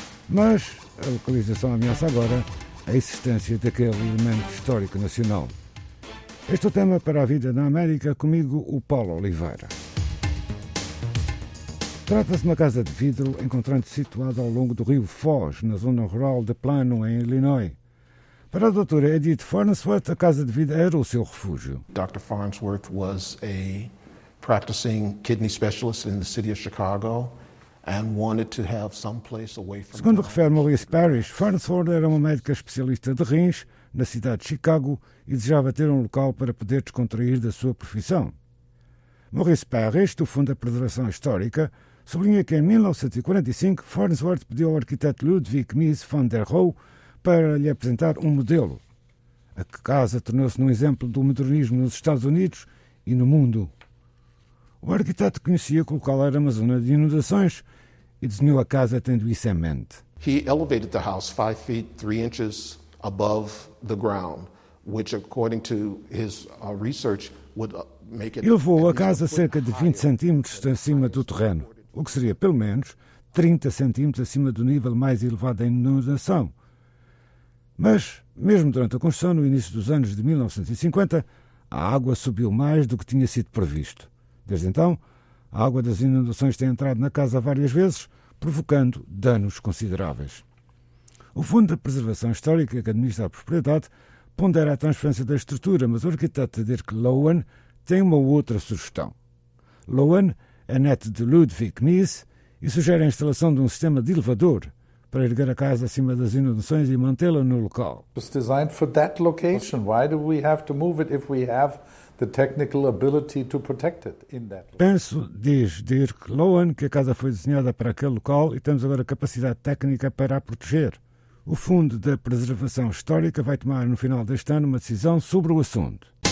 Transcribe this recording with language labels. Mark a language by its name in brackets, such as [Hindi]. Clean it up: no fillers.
[Portuguese] Mas a localização ameaça agora a existência daquele elemento histórico nacional. Este é o tema para a vida na América, comigo o Paulo Oliveira. Trata-se de uma casa de vidro encontrando-se situada ao longo do rio Foz, na zona rural de Plano, em Illinois. Para a doutora Edith Farnsworth, a casa de vidro era o seu refúgio. [English] Dr. Farnsworth was a practicing kidney specialist in the city of Chicago and wanted to have some place away from. [Portuguese] Segundo refere Maurice Parrish, Farnsworth era uma médica especialista de rins na cidade de Chicago e desejava ter um local para poder descontrair da sua profissão. Maurice Parrish, do Fundo da Preservação Histórica, sublinha que em 1945, Farnsworth pediu ao arquiteto Ludwig Mies van der Rohe para lhe apresentar um modelo. A casa tornou-se um exemplo do modernismo nos Estados Unidos e no mundo. O arquiteto conhecia que o local era uma zona de inundações e desenhou a casa tendo isso em mente. [English] He elevated the house 5 feet 3 inches above the ground, which according to his research would make it. [Portuguese] Elevou a casa cerca de 20 centímetros acima do terreno, o que seria, pelo menos, 30 centímetros acima do nível mais elevado da inundação. Mas, mesmo durante a construção, no início dos anos de 1950, a água subiu mais do que tinha sido previsto. Desde então, a água das inundações tem entrado na casa várias vezes, provocando danos consideráveis. O Fundo de Preservação Histórica, que administra a propriedade, pondera a transferência da estrutura, mas o arquiteto Dirk Lowen tem uma outra sugestão. Lowen é neto de Ludwig Mies e sugere a instalação de um sistema de elevador para erguer a casa acima das inundações e mantê-la no local. [English] It's designed for that location. Why do we have to move it if we have the technical ability to protect it in that location? [Portuguese] Penso, diz Dirk Lowen, que a casa foi desenhada para aquele local e temos agora capacidade técnica para a proteger. O Fundo de Preservação Histórica vai tomar no final deste ano uma decisão sobre o assunto.